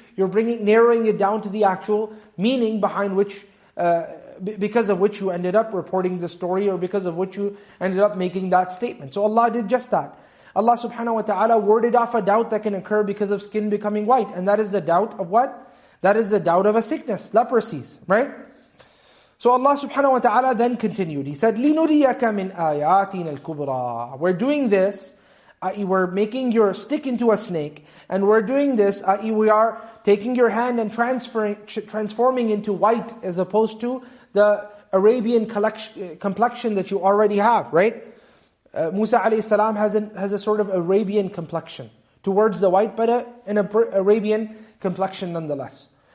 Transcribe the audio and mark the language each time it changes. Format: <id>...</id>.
<en>You're narrowing it down to the actual meaning behind which, because of which you ended up reporting the story, or because of which you ended up making that statement. So Allah did just that. Allah subhanahu wa ta'ala warded off a doubt that can occur because of skin becoming white. And that is the doubt of what? That is the doubt of a sickness, leprosies, right? So Allah subhanahu wa ta'ala then continued. He said,</en> <ar>لِنُرِيَكَ مِنْ آيَاتِنَا الْكُبْرَىٰ.</ar> <en>We're doing this, i.e. we're making your stick into a snake, and we're doing this, i.e. we are taking your hand and transforming into white, as opposed to the Arabian complexion that you already have, right? Musa alayhi salam has a sort of Arabian complexion towards the white, but an Arabian complexion nonetheless.</en>